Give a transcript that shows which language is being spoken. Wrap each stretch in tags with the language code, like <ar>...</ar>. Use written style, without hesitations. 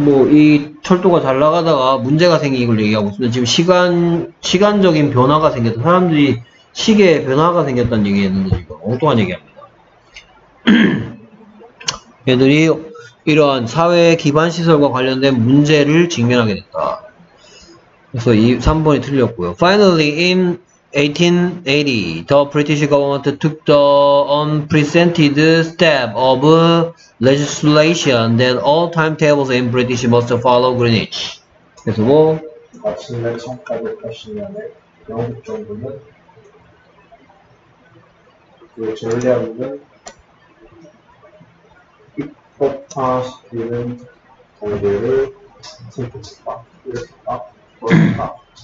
<ko>이 철도가 잘 나가다가 문제가 생긴 걸 얘기하고 있습니다 지금 시간적인 변화가 생겼다 사람들이 시계에 변화가 생겼다는 얘기했는데 지금 엉뚱한 얘기합니다 얘들이 이러한 사회 기반 시설과 관련된 문제를 직면하게 됐다. 그래서 이 3번이 틀렸고요.</ko> <en>Finally, in 1880, the British government took the unprecedented step of legislation that all timetables in British must follow Greenwich.</en> <ko>그리고 아침에 창가를 펴시면 영국 정부는 그 전략은 입법화시키는 단계를 선택했다. 이랬다. 그렇다.</ko>